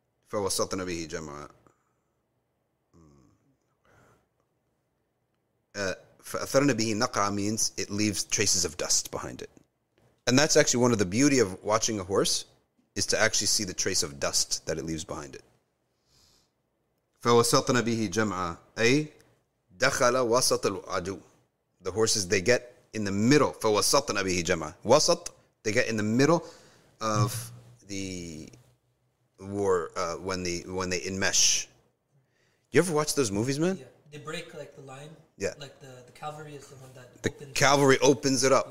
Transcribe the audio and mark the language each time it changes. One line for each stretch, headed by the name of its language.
Arabic: فَوَسَطْنَا بِهِ جَمْعًا. فَأَثَرْنَا بِهِ نَقْعًا
English: means it leaves traces of dust behind it. And that's actually one of the beauty of watching a horse, is to actually see the trace of dust that it leaves behind it.
Arabic: فَوَسَطْنَا بِهِ جَمْعًا أي دَخَلَ وَسَطَ الْعَدُو.
English: The horses, they get in the middle.
Arabic: فَوَسَطْنَا بِهِ جَمْعًا.
English: وَسَط, they get in the middle of the war, when they enmesh. You ever watch those movies, man? Yeah, they break like the line. Yeah, like the cavalry is the one that the opens cavalry it. Opens it up.